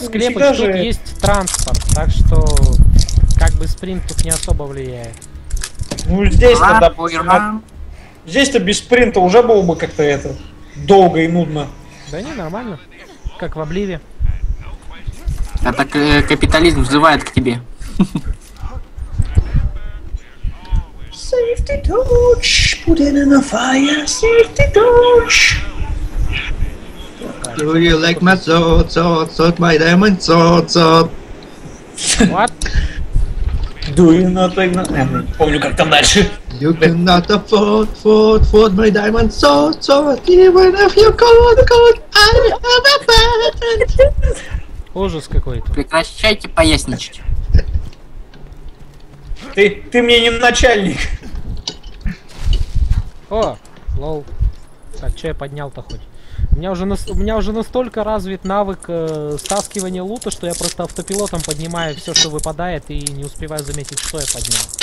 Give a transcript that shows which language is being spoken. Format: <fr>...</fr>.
<ru>Склепы, тут есть транспорт, так что как бы спринт тут не особо влияет. Ну здесь-то, допустим, здесь-то без спринта уже было бы как-то это долго и нудно. Да не, нормально, как в обливе. А так капитализм взывает к тебе.</ru> <en>Safety torch, put it in a fire, safety torch. Do you like my sword, sword, sword, my diamond sword, sword? What? Do you not like my...</en> <ru>помню, как там дальше.</ru> <en>You cannot afford, afford, afford my diamond sword, sword, even if you could, could, I have a patent.</en> <ru>Ужас какой-то. Прекращайте поясничать. Ты мне не начальник. О, лол. Так, что я поднял-то хоть? У меня уже настолько развит навык стаскивания лута, что я просто автопилотом поднимаю все, что выпадает, и не успеваю заметить, что я поднял.</ru>